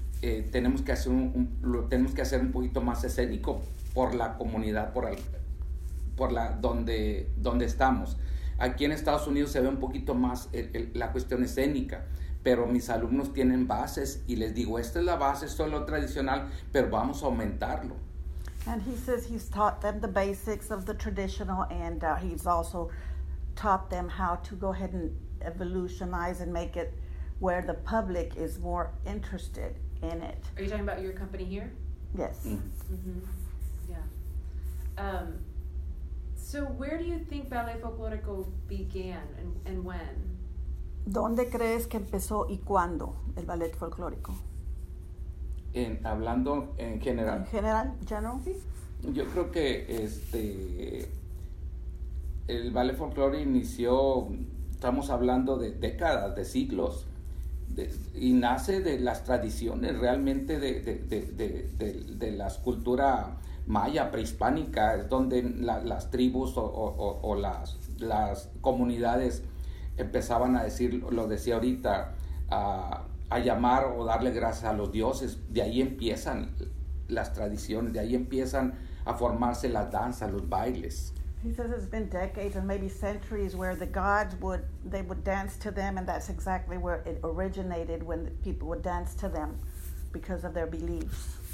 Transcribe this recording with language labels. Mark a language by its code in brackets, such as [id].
[es] tenemos que hacer un poquito más escénico por la comunidad, por donde estamos. Aquí en Estados Unidos se ve un poquito más la cuestión escénica, pero mis alumnos tienen bases y les digo, esta es la base, esto es lo tradicional, pero vamos a aumentarlo. [en] And he says he's taught them the basics of the traditional, and he's also taught them how to go ahead and evolutionize and make it where the public is more interested in it. Are you talking about your company here? Yes. Mm-hmm. Yeah. So where do you think Ballet Folklorico began and when? [es] ¿Dónde crees que empezó y cuándo el Ballet Folklorico? Hablando en general. ¿En general? ¿General? Yo creo que el Ballet Folklorico inició, estamos hablando de décadas, de siglos. Y nace de las tradiciones realmente de las culturas maya prehispánica, es donde las tribus o las comunidades empezaban a decir, lo decía ahorita, a llamar o darle gracias a los dioses. De ahí empiezan las tradiciones, de ahí empiezan a formarse las danzas, los bailes. [en] He says it's been decades and maybe centuries where the gods would, they would dance to them, and that's exactly where it originated, when the people would dance to them because of their beliefs.